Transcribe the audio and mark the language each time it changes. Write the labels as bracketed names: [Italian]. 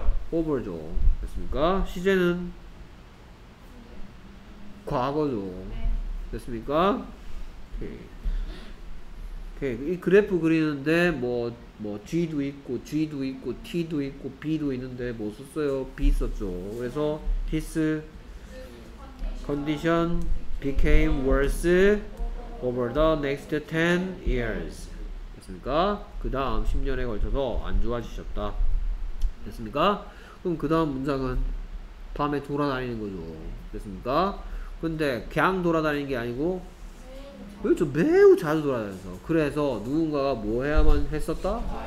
[Korean] Over죠. 됐습니까? 시제는? 과거죠. 됐습니까? 오케이. 오케이. 이 그래프 그리는데 뭐 G도 있고 G도 있고 T도 있고 B도 있는데 뭐 썼어요? B 썼죠. [English] 그래서 this condition became worse over the next 10 years. [Korean] 됐습니까? 그 다음 10년에 걸쳐서 안 좋아지셨다. 됐습니까? 그럼 그 다음 문장은 밤에 돌아다니는 거죠. 됐습니까? 근데 그냥 돌아다니는 게 아니고 그렇죠. 매우 자주 돌아다녀서 그래서 누군가가 뭐 해야만 했었다?